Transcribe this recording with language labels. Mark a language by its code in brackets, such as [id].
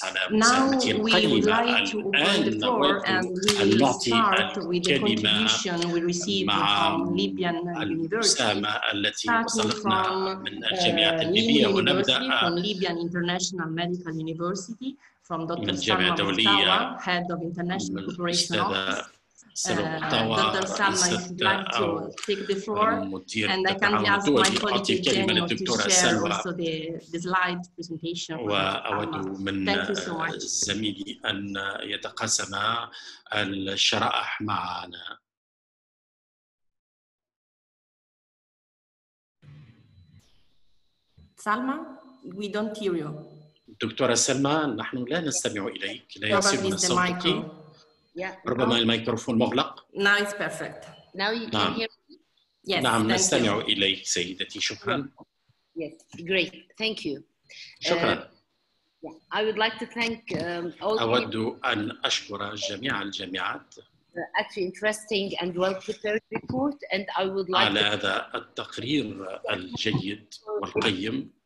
[en] Now we would like to open the floor and we will start with the contribution we received from Libyan University, starting from Libyan International Medical University, from Dr. Salma Mustawa, Head of International Cooperation Office. Dr. Salma, if you'd like to take the floor, and I can ask my colleague Eugenio to share also the slide presentation. Thank you so much. [ar] زميلي أن يتقسم الشرائح معنا. [en] Salma, we don't hear you. [ar] دكتورة سلمى نحن لا نستمع إليك لا يصلنا صوتك [en] yeah. [ar] ربما الميكروفون مغلق [en] now it's perfect now you can hear yes [ar] نعم نستمع [en] you. [ar] إليك سيدتي شكرا [en] yes great thank you [ar] شكرا [en] yeah. I would like to thank all [ar] أود أن أشكر جميع الجامعات [en] actually interesting and well prepared report and I would like [ar] على هذا التقرير الجيد والقيم